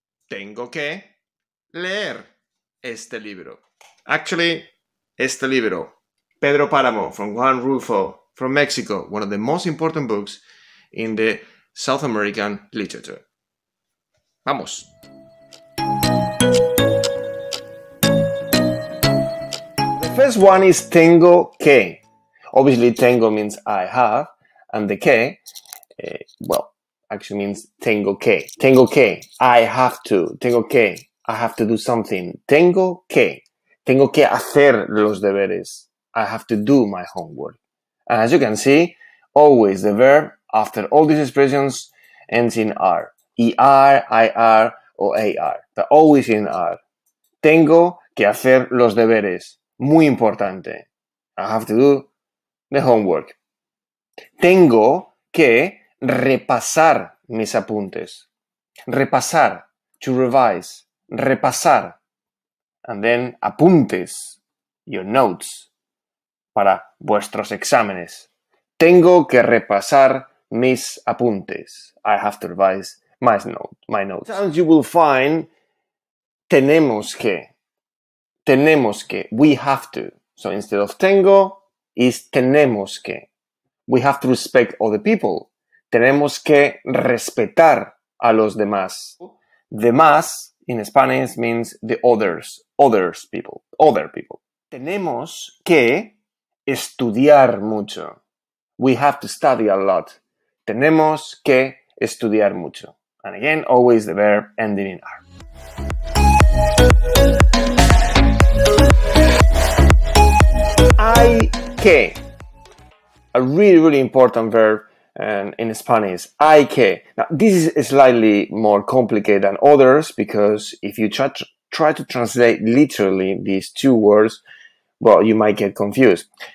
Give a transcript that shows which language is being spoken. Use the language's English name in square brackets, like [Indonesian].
[Spanish] Tengo que leer este libro. Actually, este libro. [English] Pedro Páramo from Juan Rulfo from Mexico, one of the most important books in the South American literature. Vamos. The first one is tengo que. Obviously, tengo means I have, and the que, actually means tengo que. Tengo que, I have to. Tengo que, I have to do something. [Spanish] Tengo que. Tengo que hacer los deberes. [English] I have to do my homework. And as you can see, always the verb after all these expressions ends in R. E-R, I-R, or A-R. But always in R. [Spanish] Tengo que hacer los deberes. Muy importante. [English] I have to do the homework. [Spanish] Tengo que repasar mis apuntes. Repasar. To revise. Repasar. [English] And then apuntes. Your notes. [Spanish] Para vuestros exámenes. Tengo que repasar mis apuntes. [English] I have to revise my notes. Sometimes you will find tenemos que. Tenemos que. We have to. So instead of tengo, is tenemos que. We have to respect other people. [Spanish] Tenemos que respetar a los demás. [English] Demás in Spanish means the others. Others people. Other people. [Spanish] Tenemos que estudiar mucho. [English] We have to study a lot. [Spanish] Tenemos que estudiar mucho. [English] And again, always the verb ending in R. Hay que. A really, really important verb in Spanish. Hay que. Now, this is slightly more complicated than others because if you try to translate literally these two words, well, you might get confused.